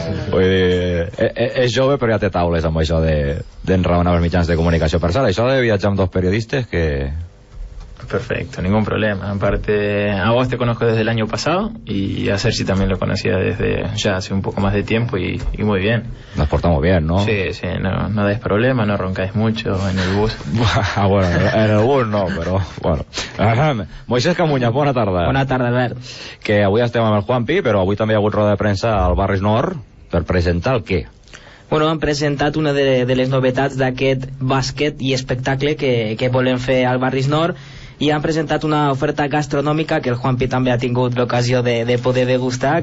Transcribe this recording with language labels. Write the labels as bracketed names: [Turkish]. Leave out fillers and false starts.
[Catalan] Vull dir, és jove, però ja té taules amb això d'enraonar els mitjans de comunicació. Per cert, això de viatjar amb dos periodistes que... [Spanish] Perfecto, ningún problema. Aparte, a vos te conozco desde el año pasado y a Sergi también lo conocía desde ya hace un poco más de tiempo y muy bien. Nos portamos bien, ¿no? Sí, no dais problema, no roncáis mucho en el bus. Bueno, en el bus no, pero bueno. [Catalan] Moisés Camuña, bona tarda. Bona tarda, Albert. Que avui estem amb el Juanpi, però avui també hi ha hagut roda de premsa al Barris Nord per presentar el què? Bueno, han presentat una de les novetats d'aquest bàsquet i espectacle que volem fer al Barris Nord. I han presentat una oferta gastronòmica que el Juanpi també ha tingut l'ocasió de poder degustar.